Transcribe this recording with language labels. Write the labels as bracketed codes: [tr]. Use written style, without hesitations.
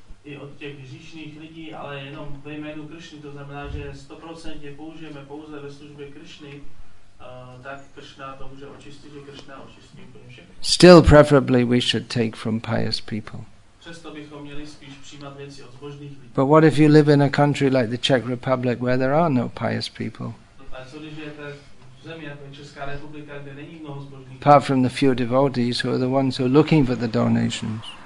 [cs] I od těch hříšných lidí, ale jenom ve jménu Krišny, to znamená, že 100% je použijeme pouze ve službě Krišny, tak Krišna to může očistit, že Krišna očistí úplně všechno. [en] Still preferably we should take from pious people. [cs] Přesto bychom měli spíš přijímat věci od zbožných lidí. [en] But what if you live in a country like the Czech Republic where there are no pious people? [cs] Ale co když žijete v zemi jako Česká republika, kde není mnoho zbožných lidí? [en] Apart from the few devotees who are the ones who are looking for the donations.